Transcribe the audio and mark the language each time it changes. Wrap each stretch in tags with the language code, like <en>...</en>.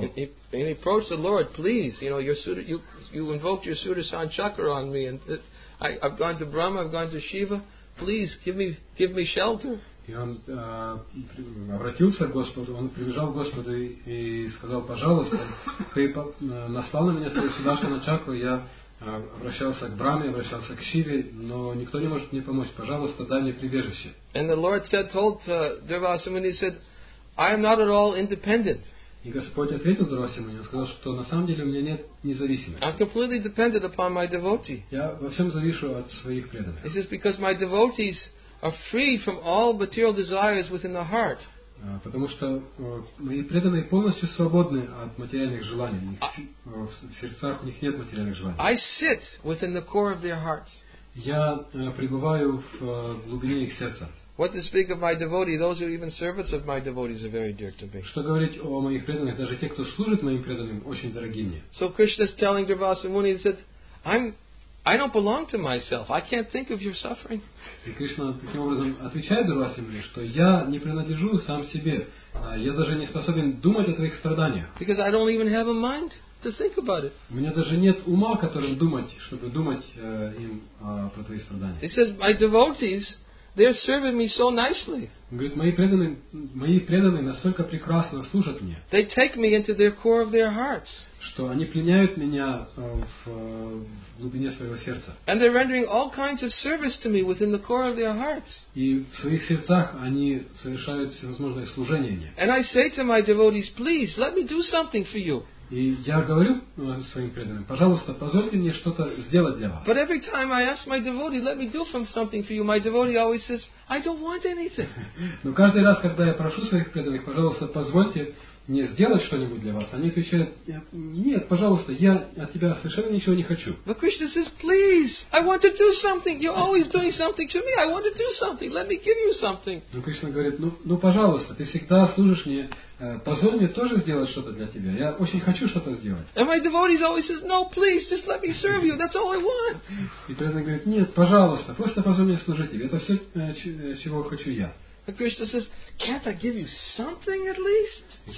<en>And he approached the Lord, please, you know, you invoked your Sudarshan Chakra on me, and I've gone to Brahma, I've gone to Shiva. Please give me shelter.</en> <ru>И он обратился к Господу, он прибежал к Господу и сказал: пожалуйста, ты наслал на меня свою Сударшану Чакру, я обращался к Браме, обращался к Шиве, но никто не может мне помочь. Пожалуйста, дай мне прибежище.</ru> <en>And the Lord said, told Durvasamuni, said, I am not at all independent.</en> <ru>И Господь ответил Дурвасамуни, он сказал, что на самом деле у меня нет независимости.</ru> <en>I'm completely dependent upon my devotee.</en> <ru>Я во всем завишу от своих преданных.</ru> <en>This is because my devotees are free from all material desires within the heart.</en> <ru>Потому что мои преданные полностью свободны от материальных желаний. В сердцах у них нет материальных желаний.</ru> <en>I sit within the core of their hearts.</en> <ru>Я пребываю в глубине их сердца.</ru> <en>What to speak of my devotee? Those who are even servants of my devotees are very dear to me.</en> <ru>Что говорить о моих преданных? Даже те, кто служит моим преданным, очень дороги мне.</ru> <en>So Krishna is telling Durvasamuni, he said, I don't belong to myself. I can't think of your suffering.</en> <ru>И Кришна таким образом отвечает Дурвасамуни, что я не принадлежу сам себе. Я даже не способен думать о твоих страданиях.</ru> <en>Because I don't even have a mind to think about it.</en> <ru>У меня даже нет ума, которым думать, чтобы думать им про твои страдания.</ru> <en>He says, my devotees, they're serving me so nicely.</en> <ru>Он говорит, мои преданные настолько прекрасно служат мне.</ru> <en>They take me into their core of their hearts.</en> <ru>Что они пленяют меня в глубине своего сердца.</ru> <en>And they're rendering all kinds of service to me within the core of their hearts.</en> <ru>И в своих сердцах они совершают всевозможные служения мне.</ru> <en>And I say to my devotees, please let me do something for you.</en> <ru>И я говорю своим преданным: пожалуйста, позвольте мне что-то сделать для вас.</ru> <en>But every time I ask my devotee, let me do something for you, my devotee always says, I don't want anything.</en> <ru>Но каждый раз, когда я прошу своих преданных: пожалуйста, позвольте мне сделать что-нибудь для вас, они отвечают: нет, пожалуйста, я от тебя совершенно ничего не хочу.</ru> <en>But Krishna says, please, I want to do something. You're always doing something to me. I want to do something. Let me give you something.</en> <ru>Но Кришна говорит: ну, пожалуйста, ты всегда служишь мне. Позволь мне тоже сделать что-то для тебя. Я очень хочу что-то сделать.</ru> <en>And my devotees always says, no, please, just let me serve you. That's all I want.</en> <ru>И преданный говорит: нет, пожалуйста, просто позволь мне служить тебе. Это все, чего хочу я.</ru> <en>And Krishna says, can't I give you something at least?</en>